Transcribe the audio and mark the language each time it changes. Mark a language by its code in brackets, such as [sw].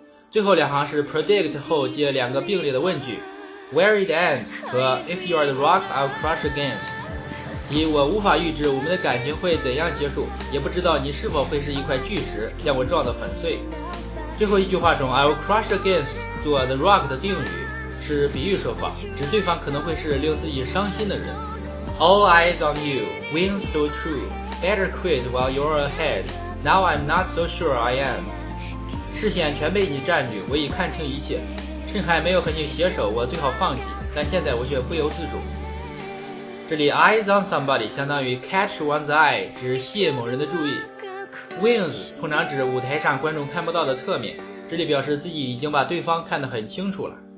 [zh] 最后两行是 Predict 后接两个并列的问句， [en] Where it ends [zh] 和 [en] If you are the rock I'll crush against， [zh] 即我无法预知我们的感情会怎样结束，也不知道你是否会是一块巨石将我撞得粉碎。最后一句话中 [en] I'll crush against [zh] 做 [en] the rock [zh] 的定语，是比喻说法，指对方可能会是令自己伤心的人。 [en] All eyes on you, win so true, better quit while you're ahead, now I'm not so sure I am. [zh] 视线全被你占据，我已看清一切，趁还没有和你携手我最好放弃，但现在我却不由自主。这里 [en] eyes on somebody [zh] 相当于 [en] catch one's eye， [zh] 指吸引某人的注意。 Wings 通常指舞台上观众看不到的侧面，这里表示自己已经把对方看得很清楚了。